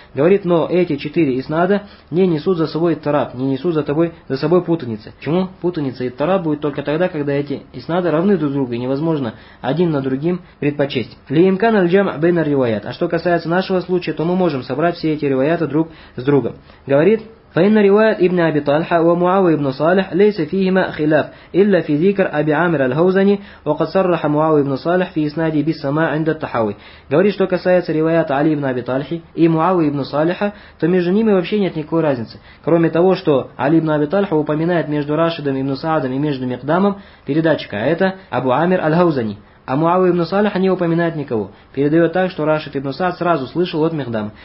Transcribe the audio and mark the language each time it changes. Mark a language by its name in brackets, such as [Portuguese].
[Russian] Говорит, но эти четыре иснада не несут за собой итраб, не несут за собой путаницы. Почему? Путаница и итраб будет только тогда, когда эти иснады равны друг другу, и невозможно один на другим предпочесть. [Arabic] Ли имкан аль-джам байна ар-риваят. [Russian] А что касается нашего случая, то мы можем собрать все эти риваяты друг с другом. Говорит, [Arabic] فإن رواية ابن أبي طالحة ومعاوية بن صالح ليس فيهما خلاف إلا في ذكر أبي عامر الهوزني وقد صرح معاوية بن صالح في إسناده بالسماع عند التحاوي. [Russian] Говорит, что касается ривайата Али ибн Аби Тальхи и Муавия ибн Салиха, то между ними вообще нет никакой разницы. Кроме того, что Али ибн Аби Тальха упоминает между Рашидом ибн Саадом и между Мигдамом передатчика, а это Абу Амир аль-Хаузани. А Муавия ибн Салиха не упоминает никого. Передает так, что Рашид ибн Саад сразу слышал от Мигдама.